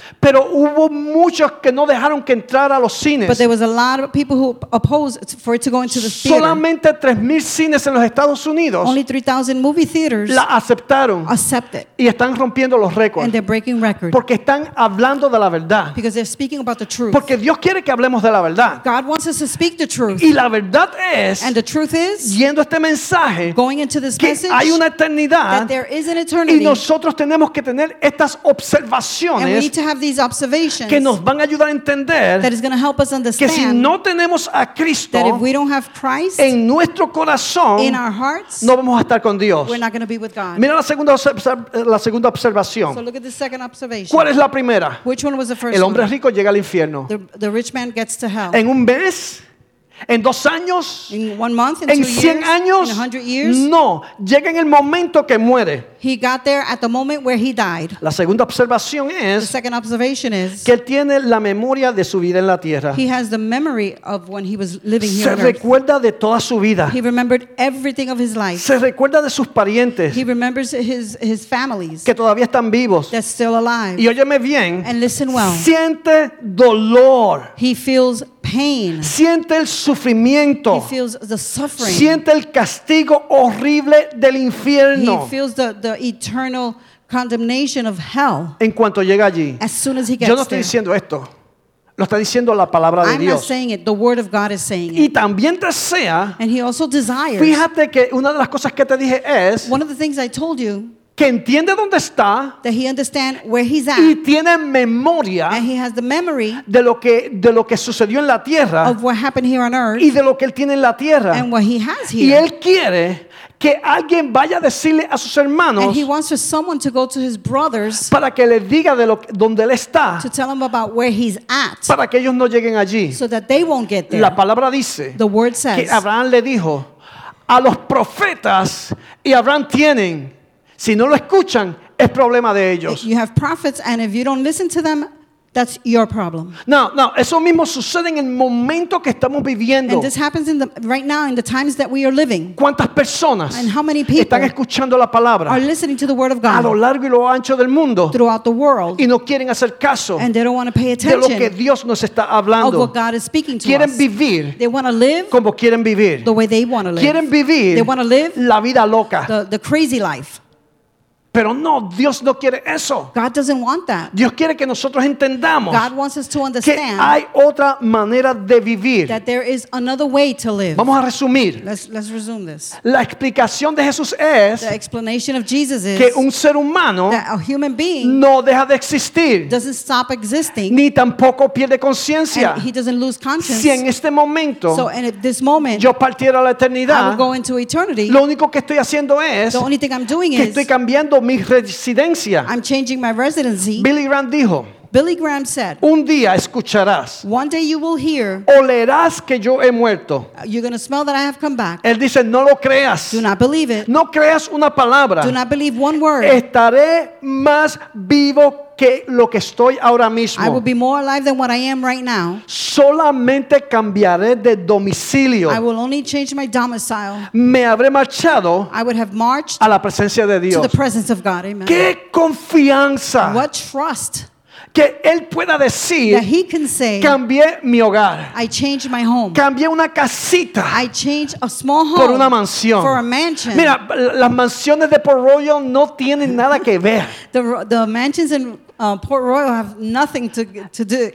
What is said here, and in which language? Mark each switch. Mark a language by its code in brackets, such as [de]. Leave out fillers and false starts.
[es] Pero hubo muchos que no dejaron que entrara a los cines. [en] But there was a lot of people who opposed for it to go into the theater. [es] Solamente 3,000 cines en los Estados Unidos. [en] Only 3,000 movie theaters. [es] La aceptaron. [en] Accepted. [es] Y están rompiendo los récords. [en] And they're breaking records. [es] Porque están hablando de la verdad. [en] Because they're speaking about the truth. [es] Porque Dios quiere que hablemos de la verdad. [en] God wants us to speak the truth. [es] Y la verdad es. [en] And the truth is. [es] Yendo a este mensaje. [en] Going into this [es] que [en] message. [es] Hay una eternidad. [en] That there is an eternity. [es] Y nosotros tenemos que tener estas observaciones. [en] And we need to have these observations [es] que nos van a ayudar a entender [en] that is going to help us understand [es] que si no tenemos a Cristo [en] that if we don't have Christ [es] en nuestro corazón [en] in our hearts, [es] no vamos a estar con Dios. [en] We're not going to be with God. [es] Mira la segunda observación. [en] So look at the second observation. [es] ¿Cuál es la primera? [en] Which one was the first [es] el hombre rico [en] one? [es] Llega al infierno. [en] The rich man gets to hell. [es] ¿En un mes? ¿En 2 años? [en] In 1 month, in [es] ¿en 100 [en] years, [es] años? [en] In 100 years? [es] No. Llega en el momento que muere. [en] He got there at the moment where he died. [es] La segunda observación es [en] the second observation is [es] que él tiene la memoria de su vida en la tierra. [en] He has the memory of when he was living here [es] se [en] on earth. [es] Se recuerda de toda su vida. [en] He remembered everything of his life. [es] Se recuerda de sus parientes. [en] He remembers his families [es] que todavía están vivos. [en] That's still alive. [es] Y óyeme bien. [en] And listen well. [es] Siente dolor. [en] He feels pain. [es] Siente el sufrimiento. [en] He feels the suffering. [es] Siente el castigo horrible del infierno. [en] He feels the eternal condemnation of hell. [es] En cuanto llega allí. [en] As soon as he gets [es] yo no estoy [en] there. [es] Diciendo esto. Lo está diciendo la palabra de [en] I'm [es] Dios. [en] I'm not saying it. The word of God is saying [es] y [en] it. [es] Y también desea. [en] And he also desires. [es] Fíjate que una de las cosas que te dije es [en] one of the things I told you [es] que entiende dónde está [en] that he understand where he's at, [es] y tiene memoria [en] and he has the memory [es] de lo que sucedió en la tierra [en] of what happened here on earth, [es] y de lo que él tiene en la tierra [en] and what he has here. [es] Y él quiere que alguien vaya a decirle a sus hermanos [en] and he wants for someone to go to his brothers [es] para que le diga de lo donde él está [en] to tell him about where he's at [es] para que ellos no lleguen allí [en] so that they won't get there. [es] La palabra dice [en] the word says, [es] que Abraham le dijo a los profetas y Abraham tienen si no lo escuchan es problema de ellos. [en] If you have prophets and if you don't listen to them that's your problem. [es] Now, eso mismo sucede en el momento que estamos viviendo. [en] And this happens in the right now in the times that we are living. [es] ¿Cuántas personas [en] and how many people [es] están escuchando la palabra [en] are listening to the word of God [es] a lo largo y lo ancho del mundo [en] throughout the world [es] y no quieren hacer caso [en] and they don't want to pay attention [es] de lo que Dios nos está hablando [en] of what God is speaking to [es] quieren [en] us. [es] Vivir [en] they want to live [es] como quieren vivir [en] the way they want to live [es] quieren vivir [en] they want to live [es] la vida loca [en] the crazy life [es] Pero no, Dios no quiere eso. [en] God doesn't want that. [es] Dios quiere que nosotros entendamos, [en] God wants us to understand, [es] que hay otra manera de vivir. [en] That there is another way to live. [es] Vamos a resumir. [en] Let's resume this. [es] La explicación de Jesús es, [en] the explanation of Jesus is, [es] que un ser humano, [en] that a human being, [es] no deja de existir, [en] doesn't stop existing, [es] ni tampoco pierde conciencia. [en] And he doesn't lose conscience. [es] Si en este momento, [en] so, and at this moment, [es] yo partiera a la eternidad, [en] I will go into eternity, [es] lo único que estoy haciendo es, [en] the only thing I'm doing [es] que estoy cambiando mi residencia. [en] I'm changing my residency. [es] Billy Graham dijo, [en] Billy Graham said, [es] un día escucharás, [en] one day you will hear, [es] olerás que yo he muerto. [en] You're going to smell that I have come back. [es] Él dice, no lo creas. [en] Do not believe it. [es] No creas una palabra. [en] Do not believe one word. [es] Estaré más vivo que lo que estoy ahora mismo. [en] I will be more alive than what I am right now. [es] Solamente cambiaré de domicilio. [en] I will only change my domicile. [es] Me habré marchado, [en] I would have marched, [es] a la presencia de Dios. [en] To the presence of God. Amen. [es] ¡Qué confianza! [en] What trust! [es] Que él pueda decir, [en] that he can say, [es] cambié mi hogar, [en] I changed my home, [es] cambié una casita, [en] I changed a small home, [es] por una mansión, [en] for a mansion. [es] Mira, las mansiones de Port Royal no tienen nada que ver. [en] The mansions in Port Royal have nothing to do,